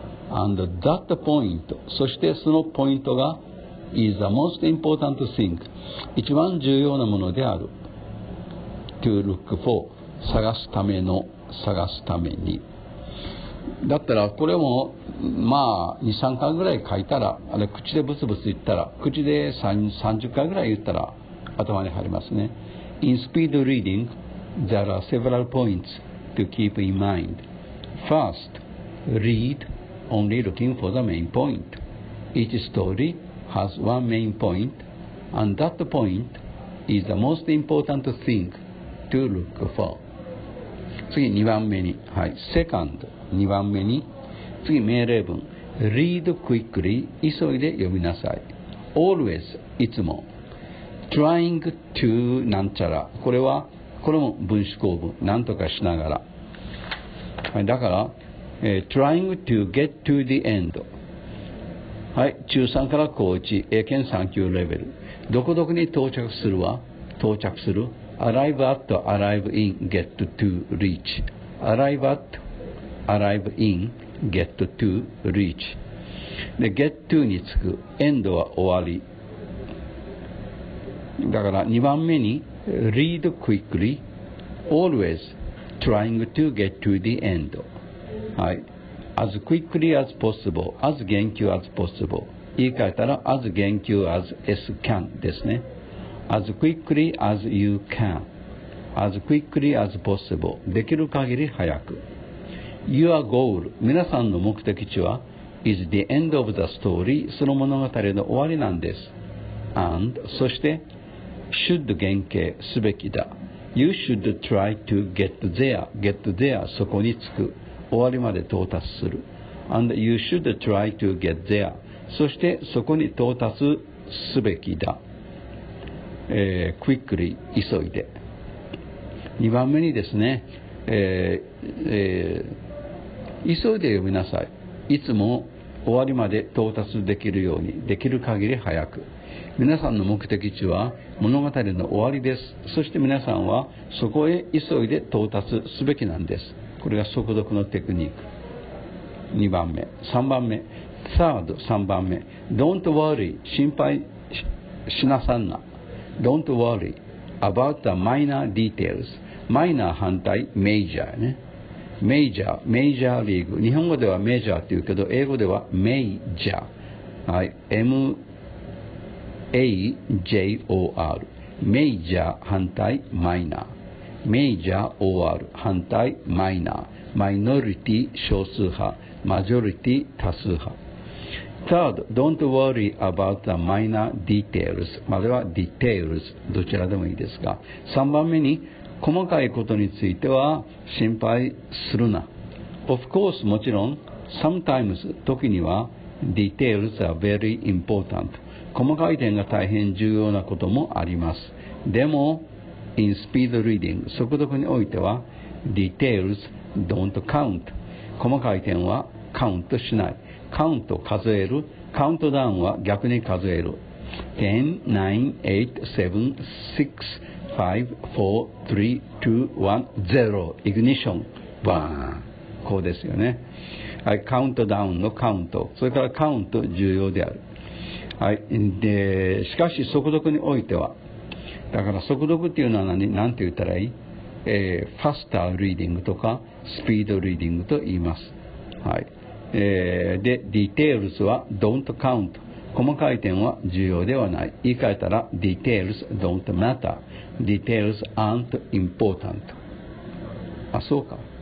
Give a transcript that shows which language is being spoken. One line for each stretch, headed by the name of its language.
English: and that point、
Japanese: そしてそのポイントが
English: is the most important thing、
Japanese: 一番重要なものである。
English: to look for、
Japanese: 探すための、探すために。だったらこれもまあ 2,3 回ぐらい書いたら、あれ口でブツブツ言ったら、口で 30回ぐらい言ったら頭に入りますね。
English: In speed reading there are several points to keep in mind。 First, read only looking for the main point。 Each story has one main point and that point is the most important thing to look for。
Japanese: 次2番目に、はい、
English: Second
Japanese: 2番目に、次命令文、
English: Read quickly、
Japanese: 急いで読みなさい。
English: Always、
Japanese: いつも、Trying to なんちゃら、これはこれも分子構文、なんとかしながら、はい、だから、
English: Trying to get to the end、
Japanese: はい、中3から高1、英検3級レベル、どこどこに到着するは、到着する、
English: Arrive at, arrive in, get to, reach、
Japanese: Arrive at, arrive in, get to, reach。で、get to につく、 end は終わり。だから2番目に、
English: Read quickly always trying to get to the end、はい、As quickly as possible、 As 言及 as possible、
Japanese: 言い換えたら
English: As 言及 as as can ですね。 As quickly as you can、 As quickly as possible、
Japanese: できる限り早く。
English: Your goal、
Japanese: 皆さんの目的地は
English: Is the end of the story、
Japanese: その物語の終わりなんです。 And、 そしてshould 原型、すべきだ。
English: You should try to get there. Get there.
Japanese: そこに着く。終わりまで到達する。
English: And you should try to get there.
Japanese: そしてそこに到達すべきだ。 Quickly. 急いで。 2番目にですね、急いで読みなさい。いつも終わりまで到達できるように、できる限り早く。皆さんの目的地は物語の終わりです。そして皆さんはそこへ急いで到達すべきなんです。これが速読のテクニック。2番目、3番目、3番目 Don't worry、 心配 しなさんな
English: Don't worry about the minor details。
Japanese: minor 反対 major ね、メイジャー、メイジャーリーグ。日本語ではメジャーって言うけど、英語ではメイジャー。はい。M-A-J-O-R。メイジャー反対マイナー。メイジャー OR 反対マイナー。マイノリティ少数派。マジョリティ多数派。
English: Third, don't worry about the minor details。
Japanese: または details。どちらでもいいですが。3番目に、細かいことについては心配するな。
English: Of course,
Japanese: もちろん、
English: sometimes,
Japanese: 時には、
English: details are very important.
Japanese: 細かい点が大変重要なこともあります。でも、
English: in speed reading,
Japanese: 速読においては、
English: details don't count.
Japanese: 細かい点はカウントしない。カウント数える。カウントダウンは逆に数える。10, 9, 8, 7, 6,5, 4, 3, 2, 1, 0 Ignition バーン、こうですよね。はい、カウントダウンのカウント、それからカウント重要である。はい、でしかし速読においては、だから速読っていうのは何、なんて言ったらいい、ファスターリーディングとかスピードリーディングと言います。はい、でディテールズはドントカウント、細かい点は重要ではない。言い換えたら
English: details don't matter. Details aren't important.
Japanese: あ、そうか。